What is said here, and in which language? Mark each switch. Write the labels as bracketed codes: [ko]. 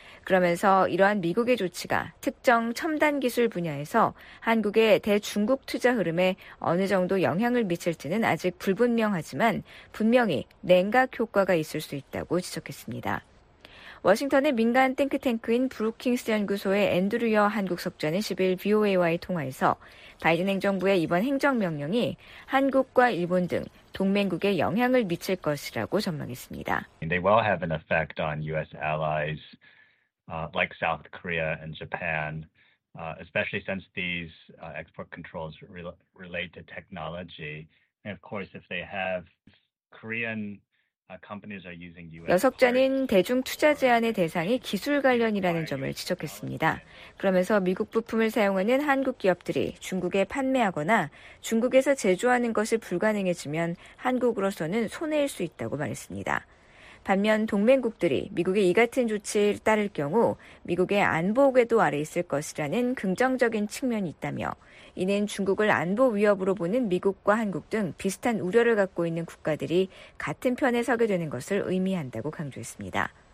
[ko] 그러면서 이러한 미국의 조치가 특정 첨단 기술 분야에서 한국의 대중국 투자 흐름에 어느 정도 영향을 미칠지는 아직 불분명하지만 분명히 냉각 효과가 있을 수 있다고 지적했습니다. 워싱턴의 민간 땡크탱크인 브루킹스 연구소의 앤드류 여 한국 석좌는 10일 VOA와의 통화에서 바이든 행정부의 이번 행정명령이 한국과 일본 등 동맹국에 영향을 미칠 것이라고 전망했습니다. [en] They will have an effect on U.S. allies. Like South Korea and Japan, especially since these export controls relate to technology. And of course, if they have Korean companies are using U.S. [ko] 여석자는 대중 투자 제한의 대상이 기술 관련이라는 점을 지적했습니다. 그러면서 미국 부품을 사용하는 한국 기업들이 중국에 판매하거나 중국에서 제조하는 것이 불가능해지면 한국으로서는 손해일 수 있다고 말했습니다. 반면 동맹국들이 미국의 이 같은 조치를 따를 경우 미국의 안보 궤도 아래 있을 것이라는 긍정적인 측면이 있다며 이는 중국을 안보 위협으로 보는 미국과 한국 등 비슷한 우려를 갖고 있는 국가들이 같은 편에 서게 되는 것을 의미한다고 강조했습니다.